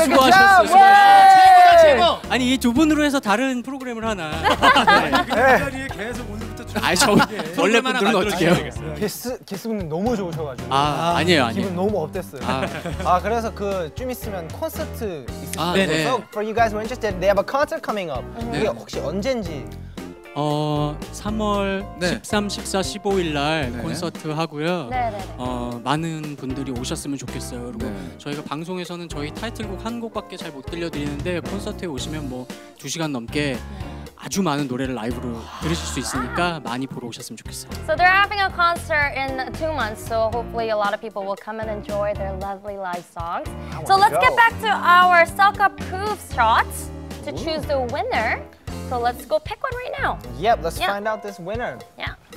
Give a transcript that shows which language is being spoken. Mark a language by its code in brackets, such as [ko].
[ko] 수고하셨어요. 최고다 최고! 아니 이 두 분으로 해서 다른 프로그램을 하나 네. 네. 그 자리에 계속 오늘부터 원래 분들은 어떡해요? 게스트분들 너무 좋으셔가지고 아니에요 기분 너무 업됐어요. 그래서 그 좀 있으면 콘서트 있으시죠? [en] So for you guys who are interested, they have a concert coming up. [ko] 이게 혹시 언젠지 3월 네. 13, 14, 15일 날 네. 콘서트 하고요. 네, 네, 네. 많은 분들이 오셨으면 좋겠어요. 그리고 네. 저희가 방송에서는 저희 타이틀곡 한 곡밖에 잘 못 들려드리는데 콘서트에 오시면 뭐 2시간 넘게 아주 많은 노래를 라이브로 들으실 수 있으니까 많이 보러 오셨으면 좋겠어요. [en] So they're having a concert in 2 months, so hopefully a lot of people will come and enjoy their lovely live songs. So let's get back to our Selka Proof shots to choose the winner. So let's go pick one right now. Yep, let's find out this winner. Yeah.